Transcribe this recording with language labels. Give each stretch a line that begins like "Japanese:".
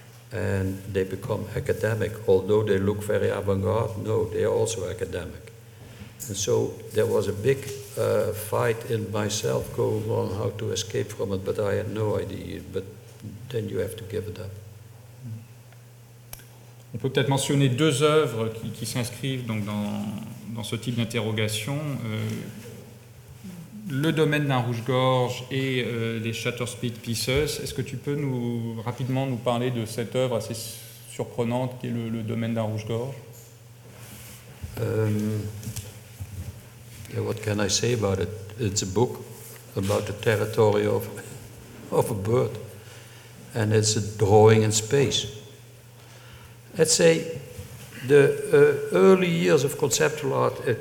English: And they become academic, although they look very avant-garde. No, they are also academic. And so there was a big fight in myself going on how to escape from it, but I had no idea. But then you have to give it up.
French: On peut peut-être mentionner deux œuvres qui s'inscrivent donc dans ce type d'interrogation. Le domaine d'un rouge-gorge et les Shutterspeed Pieces. Est-ce que tu peux rapidement nous parler de cette œuvre assez surprenante qui est le domaine d'un rouge-gorge?
English: Yeah, what can I say about it? It's a book about the territory of a bird, and it's a drawing in space. Let's say the early years of conceptual art.